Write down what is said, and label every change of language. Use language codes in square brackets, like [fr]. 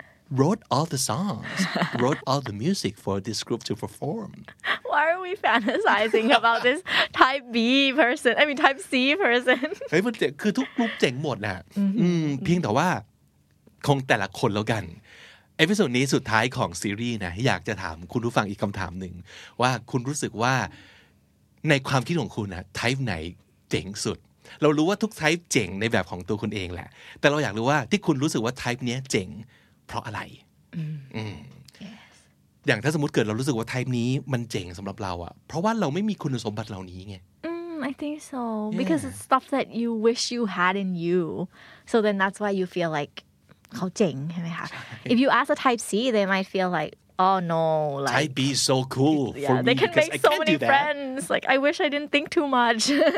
[en] wrote all the songs, wrote all the music for this group to perform. Why are we fantasizing about this type B person? I mean, type C person. [th] เฮ้ยมันเจ๋งคือทุกกลุ่มเจ๋งหมดนะเพียงแต่ว่าคงแต่ละคนแล้วกันเอพิโซดนี้สุดท้ายของซีรีส์นะอยากจะถามคุณผู้ฟังอีกคำถามนึงว่าคุณรู้สึกว่าในความคิดของคุณนะไทป์ไหนเจ๋งสุดเรารู้ว่าทุกไทป์เจ๋งในแบบของตัวคุณเองแหละแต่เราอยากรู้ว่าที่คุณรู้สึกว่าไทป์เนี้ยเจ๋งเพราะอะไร [en] yes. [th] อ ย่างถ้าสมมติเกิดเรารู้สึกว่าไทป์นี้มันเจ๋งสำหรับเราอะเพราะว่าเราไม่มีคุณสมบัติเหล่านี้ไง [en] I think so yeah. because it's stuff that you wish you had in you so then that's why you feel like [th] เขาเจ๋งใช่ไหมคะ [en] If you ask a type C, they might feel like, oh no, like type B is so cool. Yeah, for they can make so many friends. That. Like I wish I didn't think too much.